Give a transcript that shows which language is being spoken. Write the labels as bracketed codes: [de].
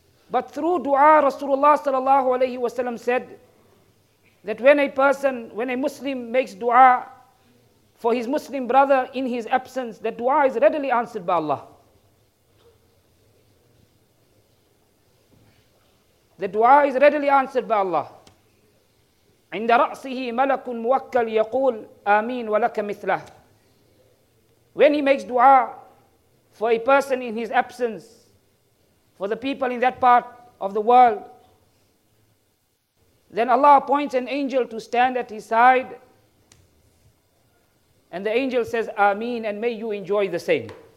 [en] But through dua, Rasulullah sallallahu alayhi wa sallam said that when a Muslim makes dua for his Muslim brother in his absence, that dua is readily answered by Allah. The dua is readily answered by Allah. [ar] عند رأسه ملك موكل يقول آمين ولك مثله. [en] When he makes dua for a person in his absence, for the people in that part of the world, then Allah appoints an angel to stand at his side, and the angel says, Ameen, and may you enjoy the same.